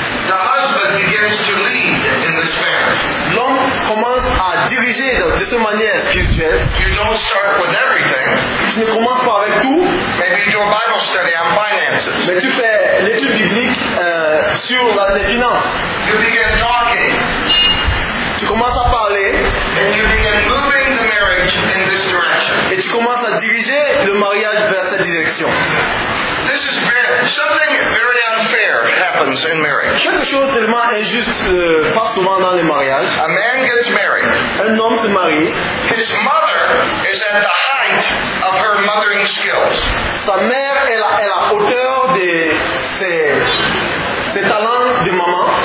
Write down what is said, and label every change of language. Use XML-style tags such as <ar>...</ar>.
<en>The husband begins to lead in this manner.</en> <fr>L'homme commence à diriger de cette manière spirituelle.</fr> <en>You don't start with everything.</en> <fr>Tu ne commences pas avec tout.</fr> <en>Maybe you do a Bible study on finances.</en> <fr>Mais tu fais l'étude biblique sur les finances.</fr> <en>You begin talking.</en> <fr>Tu commences à parler.</fr> <en>And you begin moving the marriage in this direction.</en> <fr>Et tu commences à diriger le mariage vers cette direction.</fr> <en>This is something very unfair happens in marriage.</en> <fr>Quelque chose tellement injuste passe souvent dans les mariages.</fr> <en>A man gets married.</en> <fr>Un homme se marie.</fr> <en>His mother is at the height of her mothering skills.</en> <fr>Sa mère est à la hauteur de ses talents de maman.</fr>